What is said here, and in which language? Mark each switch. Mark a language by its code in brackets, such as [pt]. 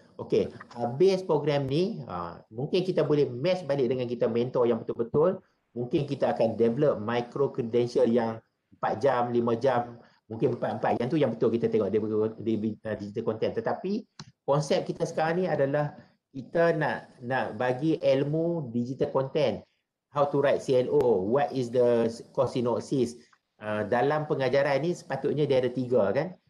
[ms] Okey, habis program ni, mungkin kita boleh match balik dengan kita mentor yang betul-betul. Mungkin kita akan develop micro-credential yang 4 jam, 5 jam, mungkin 4-4 jam tu yang betul kita tengok digital content. Tetapi konsep kita sekarang ni adalah kita nak bagi ilmu digital content. [en] How to write CLO, what is the course synopsis. [ms] Dalam pengajaran ni sepatutnya dia ada tiga kan.